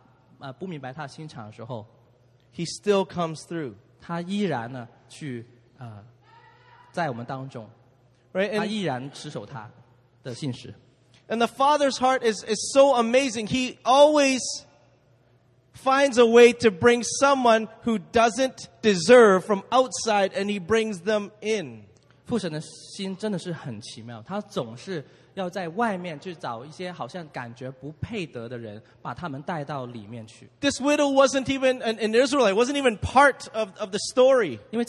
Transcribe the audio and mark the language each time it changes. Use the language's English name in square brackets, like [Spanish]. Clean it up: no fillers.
[Chinese] 甚至当我们呢去不认识他的作为，把所有的事情都归咎于他，不明白他的心肠的时候， [English] he still comes through. [Chinese] 他依然呢去在我们当中， [English] right? And [Chinese] 他依然持守他的信实。 [English] And the Father's heart is so amazing. He always finds a way to bring someone who doesn't deserve from outside and he brings them in. [Chinese] 父神的心真的是很奇妙，他总是要在外面去找一些好像感觉不配得的人，把他们带到里面去。 [English] This widow wasn't even an Israelite, wasn't even part of the story.